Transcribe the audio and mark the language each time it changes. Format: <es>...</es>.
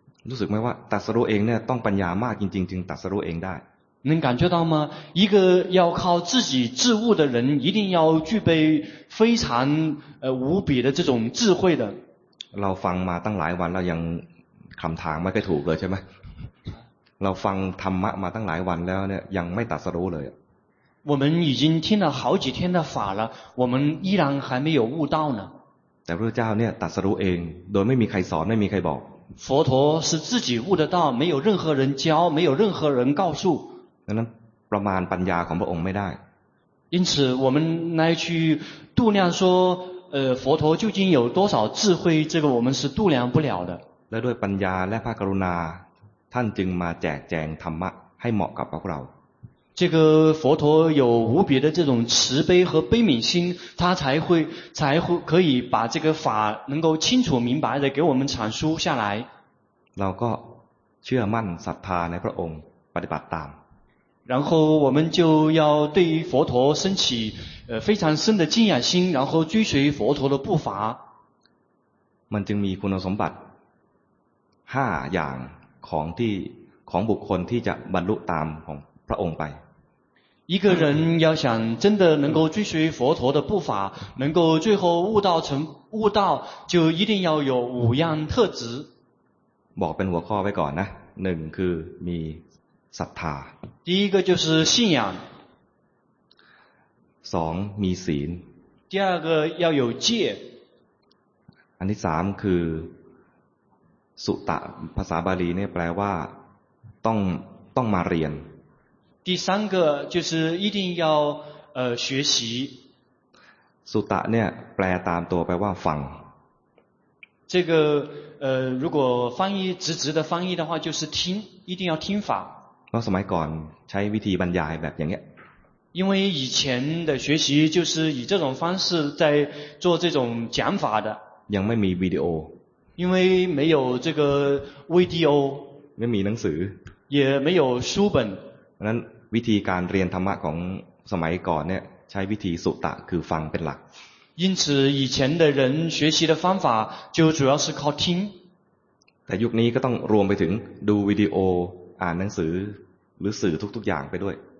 <th>รู้สึกไหมว่าตรัสรู้เองเนี่ยต้องปัญญามากจริงๆจึงตรัสรู้เองได้</th> <zh>。 能感觉到吗？一个要靠自己自悟的人一定要具备非常无比的这种智慧的。</zh> <th>เราฟังมาตั้งหลายวันเรายังคำทางไม่ค่อยถูกเลยใช่ไหมเราฟังธรรมะมาตั้งหลายวันแล้วเนี่ยยังไม่ตรัสรู้เลย</th> <zh>我们已经听了好几天的法了我们依然还没有悟道呢</zh> <th>แต่พระเจ้าเนี่ยตรัสรู้เองโดยไม่มีใครสอนไม่มีใครบอก</th> <zh>佛陀是自己悟的道没有任何人教没有任何人告诉</zh> <th>ดังนั้นประมาณปัญญาของพระองค์ไม่ได้</th> <zh>因此我们来去度量说佛陀究竟有多少智慧这个我们是度量不了的</zh> <th>และด้วยปัญญาและพระกรุณาท่านจึงมาแจกแจงธรรมะให้เหมาะกับพวกเรา</th> <zh>这个佛陀有无比的这种慈悲和悲悯心他才会可以把这个法能够清楚明白的给我们阐述下来</zh> <th>เราก็เชื่อมั่นศรัทธาในพระองค์ปฏิบัติตาม</th> <zh>然后我们就要对于佛陀升起非常深的敬仰心然后追随佛陀的步伐</zh> <th>มันจึงมีคุณสมบัติ5อย่างของบุคคลที่จะบรรลุตามของพระองค์ไป</th> <zh>一个人要想真的能够追随佛陀的步伐能够最后悟道就一定要有五样特质</zh> <th>บอกเป็นหัวข้อไว้ก่อนนะ1คือมีศรัทธา</th> <zh>第一个就是信仰</zh> <th>2มีศีล</th> <zh>第二个要有戒</zh> <th>อันที่3คือสุตะภาษาบาลีเนี่ยแปลว่าต้องมาเรียน</th> <zh>第三个就是一定要学习</zh> <th>สุตะเนี่ยแปลตามตัวแปลว่าฟัง</th> <zh>这个如果翻译直直的翻译的话就是听一定要听法</zh> <th>เพราะสมัยก่อนใช้วิธีบรรยายแบบอย่างเงี้ย</th> <zh>因为以前的学习就是以这种方式在做这种讲法的</zh> <th>ยังไม่มีวิดีโอ</th> <zh>因为没有这个 VDO 没有หนังสือ 也没有书本</zh> <th>นั้นวิธีการเรียนธรรมะของสมัยก่อนเนี่ยใช้วิธีสุตะคือฟังเป็นหลัก</th> <zh>因此以前的人学习的方法就主要是靠听</zh> <th>แต่ยุคนี้ก็ต้องรวมไปถึงดูวิดีโออ่านหนังสือหรือสื่อทุกๆอย่างไปด้วย</th>